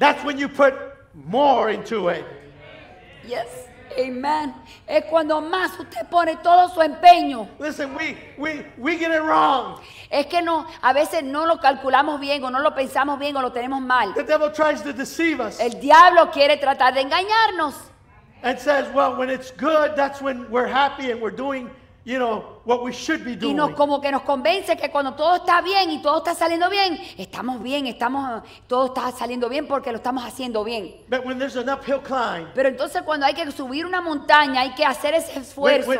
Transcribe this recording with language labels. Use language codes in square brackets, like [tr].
[en] That's when you put more into it. Yes. Amen. [es] Es cuando más usted pone todo su empeño. [en] Listen, we get it wrong. [es] Es que no, a veces no lo calculamos bien o no lo pensamos bien o lo tenemos mal. [en] The devil tries to deceive us. [es] El diablo quiere tratar de engañarnos. [en] And says, well, when it's good, that's when we're happy and we're doing, you know, what we should be doing. [es] Y nos como que nos convence que cuando todo está bien y todo está saliendo bien, estamos todo está saliendo bien porque lo estamos haciendo bien. [en] But when there's an uphill climb. [es] Pero entonces cuando hay que subir una montaña, hay que hacer ese esfuerzo.